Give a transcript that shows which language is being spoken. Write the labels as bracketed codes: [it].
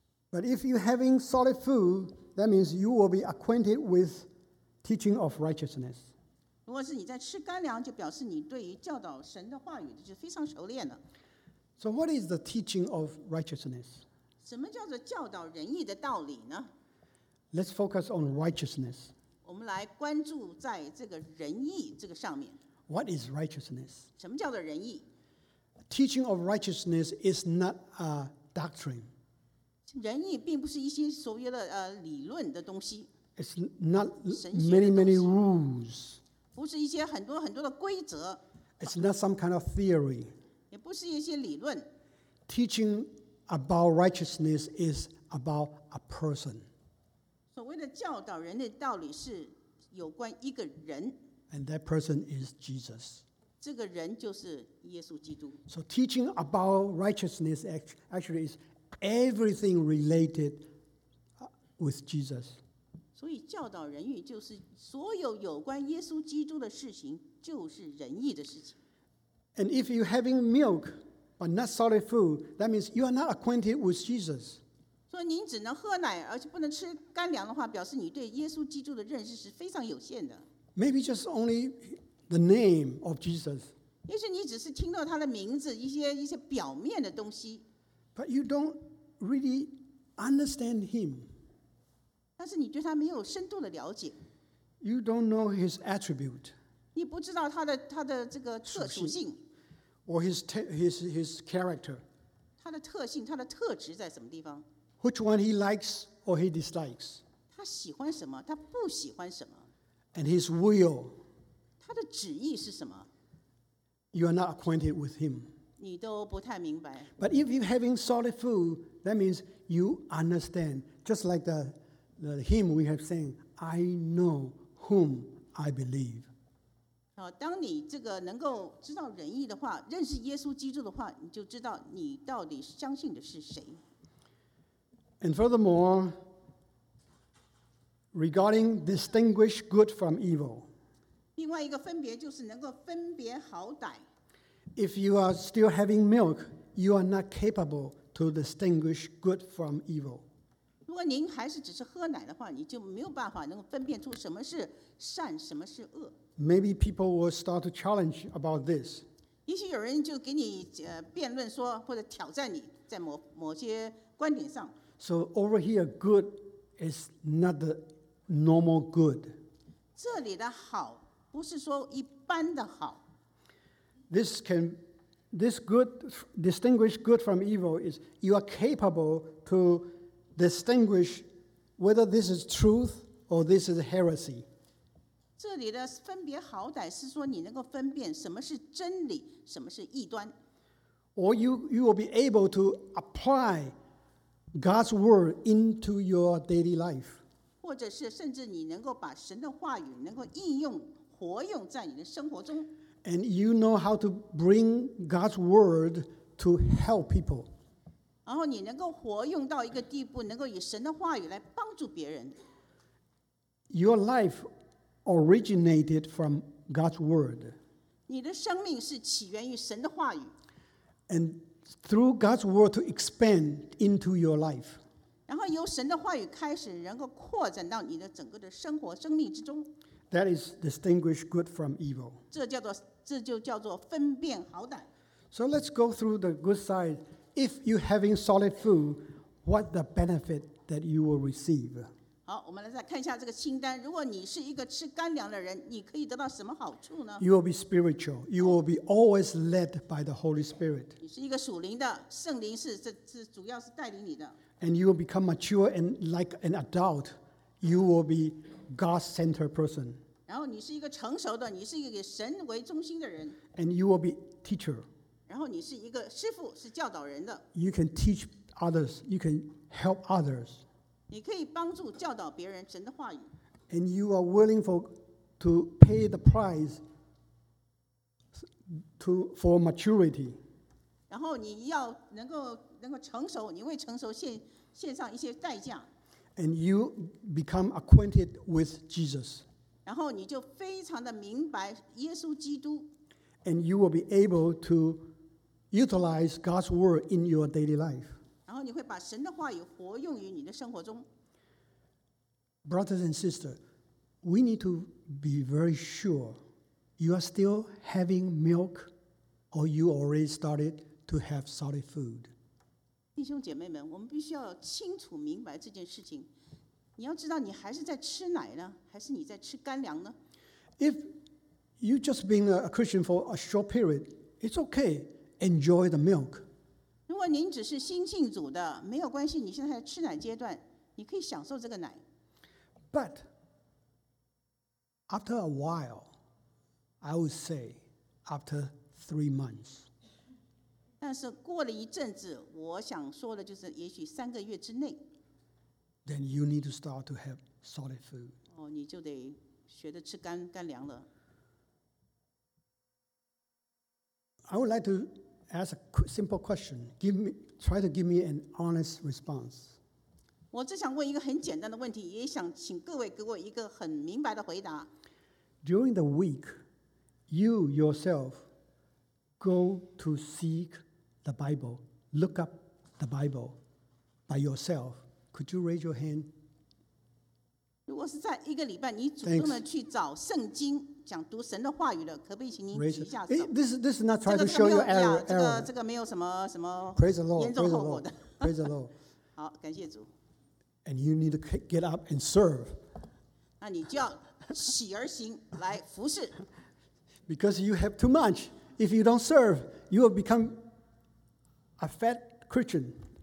[en] But if you're having solid food, that means you will be acquainted with teaching of righteousness. [zh] 如果是你在吃干粮，就表示你对于教导神的话语就非常熟练了。 [en] So what is the teaching of righteousness? [zh] 什么叫做教导仁义的道理呢？ [en] Let's focus on righteousness. [zh] 我们来关注在这个仁义这个上面。 [en] What is righteousness? [zh] 什么叫做仁义？ [en] Teaching of righteousness is not a doctrine. [zh] 仁义并不是一些所谓的理论的东西。 [en] It's not many, many rules. [zh] 不是一些很多很多的规则。 [en] It's not some kind of theory. [zh] 也不是一些理论。 [en] Teaching about righteousness is about a person. [zh] 所谓的教导人的道理是有关一个人。 [en] And that person is Jesus. [zh] 这个人就是耶稣基督。 [en] So teaching about righteousness actually is everything related with Jesus. [zh] 所以教导人义就是所有有关耶稣基督的事情就是仁义的事情。 [en] And if you're having milk but not solid food, that means you are not acquainted with Jesus. [zh] 所以您只能喝奶而且不能吃干粮的话，表示你对耶稣基督的认识是非常有限的。 [en] Maybe just only the name of Jesus. [zh] 也许你只是听到他的名字，一些表面的东西。 [en] But you don't really understand him. [zh] 但是你对他没有深度的了解。 [en] You don't know his attribute. [zh] 你不知道他的这个特属性 [en] ，or his character， [zh] 他的特性，他的特质在什么地方 [en] ？Which one he likes or he dislikes？ [zh] 他喜欢什么？他不喜欢什么 [en] ？And his will， [zh] 他的旨意是什么 [en] ？You are not acquainted with him， [zh] 你都不太明白。 [en] But if you're having solid food, that means you understand. Just like the hymn we have sang, I know whom I believe. [zh] 当你这个能够知道仁义的话，认识耶稣基督的话，你就知道你到底相信的是谁。 [en] And furthermore, regarding distinguish good from evil. [zh] 另外一个分别就是能够分别好歹。 [en] If you are still having milk, you are not capable to distinguish good from evil. [zh] 如果您还是只是喝奶的话，你就没有办法能够分辨出什么是善，什么是恶。 [en] Maybe people will start to challenge about this. [zh] 也许有人就给你辩论说，或者挑战你在某些观点上。 [en] So over here, good is not the normal good. [zh] 这里的好不是说一般的好。 [en] This good distinguish good from evil is you are capable to distinguish whether this is truth or this is heresy. [zh] 这里的分别好歹是说你能够分辨什么是真理，什么是异端。 [en] Or you will be able to apply God's word into your daily life. [zh] 或者是甚至你能够把神的话语能够应用、活用在你的生活中。 [en] And you know how to bring God's word to help people. [zh] 然后你能够活用到一个地步，能够以神的话语来帮助别人。 [en] Your life. Originated from God's word. [zh] 你的生命是起源于神的话语。 [en] And through God's word to expand into your life. [zh] 然后由神的话语开始，能够扩展到你的整个的生活、生命之中。 [en] That is distinguish good from evil. [zh] 这就叫做分辨好歹。 [en] So let's go through the good side. If you're having solid food, what the benefit that you will receive? [zh] 好，我们来再看一下这个清单。如果你是一个吃干粮的人，你可以得到什么好处呢 [en] ？You will be spiritual. You will be always led by the Holy Spirit. [zh] 你是一个属灵的，圣灵是主要是带领你的。 [en] And you will become mature and like an adult. You will be God-centered person. [zh] 然后你是一个成熟的，你是一个以神为中心的人。 [en] And you will be teacher. [zh] 然后你是一个师父，是教导人的。 [en] You can teach others. You can help others. [zh] 你可以帮助教导别人神的话语。 [en] And you are willing for to pay the price for maturity. [zh] 然后你要能够成熟，你为成熟献上一些代价。 [en] And you become acquainted with Jesus. [zh] 然后你就非常的明白耶稣基督。 [en] And you will be able to utilize God's word in your daily life. [zh] 然后你会把神的话语活用于你的生活中。 [en] Brothers and sisters, we need to be very sure you are still having milk or you already started to have solid food. [zh] 弟兄姐妹们，我们必须要清楚明白这件事情。你要知道你还是在吃奶呢，还是你在吃干粮呢？ [en] If you've just been a Christian for a short period, it's okay. Enjoy the milk. [zh] 如果您只是新信主的，没有关系，你现在在吃奶阶段，你可以享受这个奶。 [en] But after a while, I would say after 3 months. [zh] 但是过了一阵子，我想说的就是，也许三个月之内。 [en] Then you need to start to have solid food. [zh] 哦，你就得学着吃干粮了。 [en] I would like to ask a simple question. Try to give me an honest response. [zh] 我只想问一个很简单的问题，也想请各位给我一个很明白的回答。 [en] During the week, you yourself go to seek the Bible, look up the Bible by yourself. Could you raise your hand? [zh] 如果是在一个礼拜，你主动的去找圣经，想读神的话语的，可不可以请您举一下手？ [en] This is not trying to show your error. [zh] 这个没有什么严重后果的。 [en] Praise the Lord. Praise the Lord. [zh] 好，感谢主。 [en] And you need to get up and serve. [zh] 那你就要起而行来服侍。 [en] Because you have too much. If you don't serve, you will become a fat Christian.